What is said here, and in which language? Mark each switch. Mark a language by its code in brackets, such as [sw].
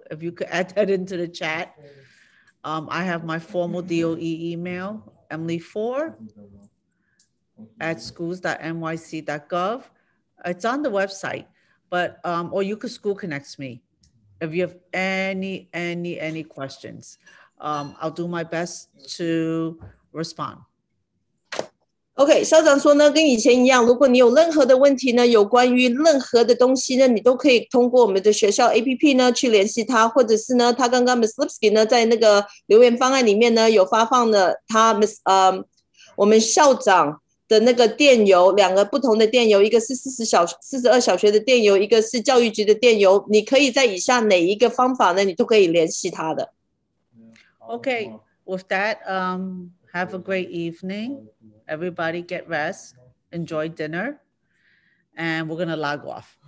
[en] If you could add that into the chat. I have my formal DOE email. emily4@schools.nyc.gov. It's on the website, but or you could school connects me if you have any questions. I'll do my best to respond. [zh] OK， 校长说呢，跟以前一样，如果你有任何的问题呢，有关于任何的东西呢，你都可以通过我们的学校 APP 呢去联系他，或者是呢，他刚刚 Ms. Lipsky 呢在那个留言方案里面呢有发放的他 Ms. 我们校长的那个电邮，两个不同的电邮，一个是42小学的电邮，一个是教育局的电邮，你可以在以下哪一个方法呢，你都可以联系他的。 [en] OK， with that, have a great evening. Everybody get rest, enjoy dinner, and we're going to log off.